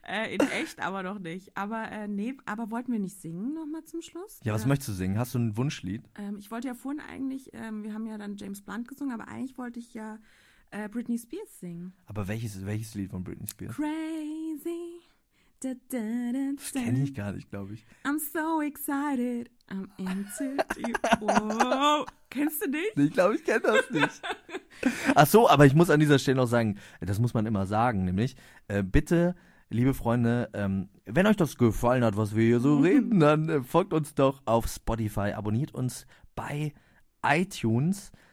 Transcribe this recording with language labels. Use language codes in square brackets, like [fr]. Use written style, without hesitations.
[de] In echt aber noch nicht. Aber wollten wir nicht singen nochmal zum Schluss? Ja, was möchtest du singen? Hast du ein Wunschlied? Ich wollte ja vorhin eigentlich, wir haben ja dann James Blunt gesungen, aber eigentlich wollte ich ja Britney Spears singen. Aber welches Lied von Britney Spears? Crazy. Da, da, da, da. Das kenne ich gar nicht, glaube ich. [en] I'm so excited, I'm into you. [de] Kennst du nicht? Ich glaube, ich kenne das nicht. Ach so, aber ich muss an dieser Stelle noch sagen, das muss man immer sagen, nämlich bitte, liebe Freunde, wenn euch das gefallen hat, was wir hier so reden, dann folgt uns doch auf Spotify, abonniert uns bei iTunes.